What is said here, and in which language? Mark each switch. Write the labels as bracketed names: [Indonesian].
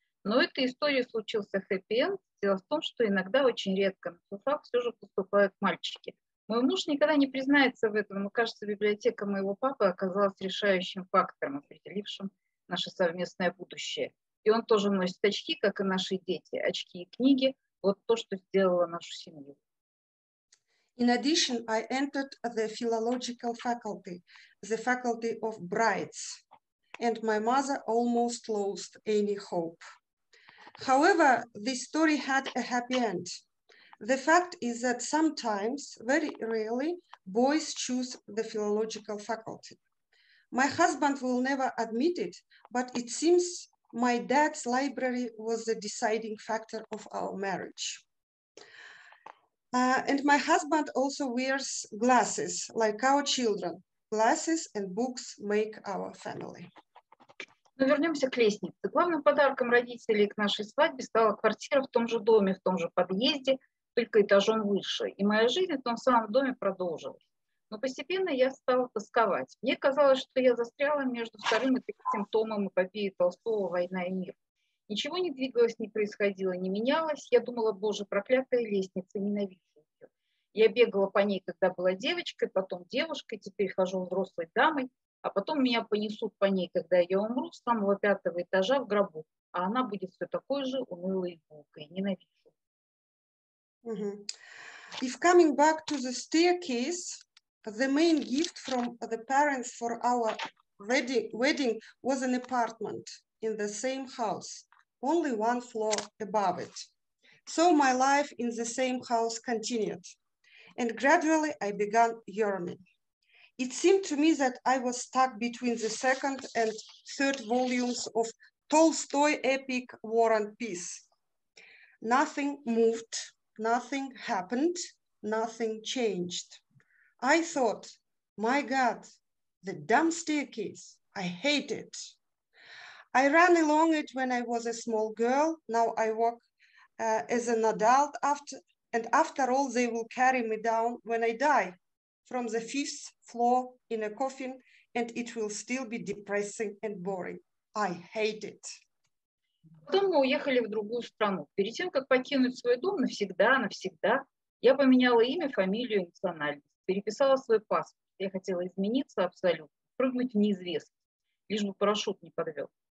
[Russian] Но в этой истории случился хэппи-энд. Дело в том, что иногда, очень редко, на филфак все же поступают мальчики. Мой муж никогда не признается в этом, но, кажется, библиотека моего папы оказалась решающим фактором, определившим наше совместное будущее. И он тоже носит очки, как и наши дети, очки и книги. Вот то, что сделала нашу семью. [English] In addition, I entered the philological faculty, the faculty of brides, and my mother almost lost any hope. However, this story had a happy end. The fact is that sometimes, very rarely, boys choose the philological faculty. My husband will never admit it, but it seems my dad's library was the deciding factor of our marriage. And my husband also wears glasses, like our children. Glasses and books make our family. [Russian] Но вернемся к лестнице. Главным подарком родителей к нашей свадьбе стала квартира в том же доме, в том же подъезде, только этажом выше. И моя жизнь в том самом доме продолжилась. Но постепенно я стала тосковать. Мне казалось, что я застряла между вторым и третьим томом эпопеи Толстого «Война и мир». Ничего не двигалось, не происходило, не менялось. Я думала, боже, проклятая лестница, ненавижу ее. Я бегала по ней, когда была девочкой, потом девушкой, теперь хожу взрослой дамой. а потом меня понесут по ней, когда я умру, с самого пятого этажа в гробу, а она будет все такой же унылой булкой. Ненавижу. Mm-hmm. [English] If coming back to the staircase, the main gift from the parents for our wedding was an apartment in the same house, only one floor above it. So my life in the same house continued, and gradually I began yearning. It seemed to me that I was stuck between the second and third volumes of Tolstoy epic War and Peace. Nothing moved, nothing happened, nothing changed. I thought, my God, the damn staircase, I hate it. I ran along it when I was a small girl. Now I walk as an adult after all, they will carry me down when I die from the fifth floor in a coffin, and it will still be depressing and boring. I hate it. [Russian] Потом мы уехали в другую страну. Перед тем, как покинуть свой дом навсегда, я поменяла имя, фамилию, национальность, переписала свой паспорт. Я хотела измениться абсолютно, прыгнуть в неизвестность, лишь бы парашют не подвел.